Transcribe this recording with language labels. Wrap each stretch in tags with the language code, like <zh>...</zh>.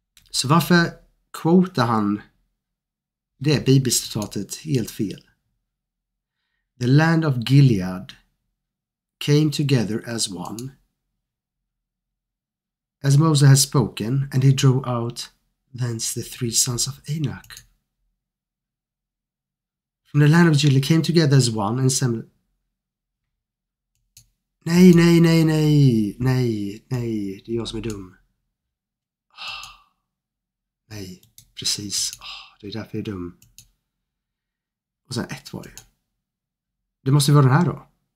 <sv>Så varför quotar han det bibelcitatet helt fel?</sv> <en>The land of Gilead came together as one. As Moses has spoken, and he drew out thence the three sons of Anak. From the land of Gilead came together as one and assembled.</en> <sv>Nej, nej, nej, nej, nej, nej, det är jag som är dum. Nej, precis, det är därför jag är dum. Och sen ett var det. Det måste vara den här då.</sv>